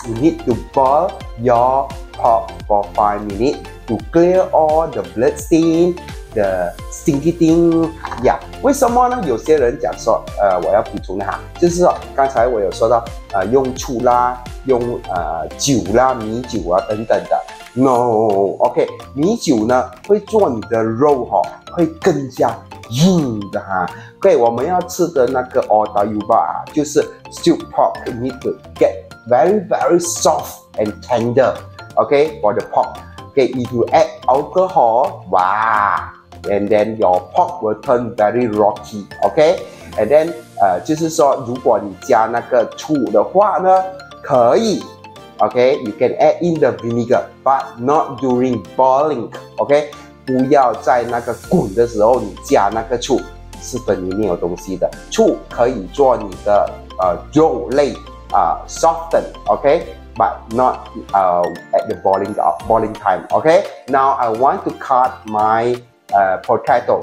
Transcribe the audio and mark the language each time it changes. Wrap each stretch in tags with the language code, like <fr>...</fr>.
<en>You need to boil your pork for 5 minutes to clear all the blood stain, the stinky thing.</en> <zh>Yeah， 为什么呢？有些人讲说，我要补充的哈，就是说刚才我有说到，用醋啦，用酒啦，米酒啊等等的。 No， OK， 米酒呢会做你的肉哈、会更加硬的哈。 OK， 我们要吃的那个 ordayuba 就是</zh> <en>stew pork， need to get very very soft and tender， OK， for the pork。 OK， if you add alcohol， wow， and then your pork will turn very rocky， OK， and then</en> <zh>就是说如果你加那个醋的话呢，可以。</zh> <en>Okay, you can add in the vinegar, but not during boiling.</en> <zh>Okay, 不要在那个滚的时候你加那个醋，是粉里面有东西的。醋可以做你的肉类soften.</zh> <en>Okay, but not at the boiling time. Okay, now I want to cut my potato.</en>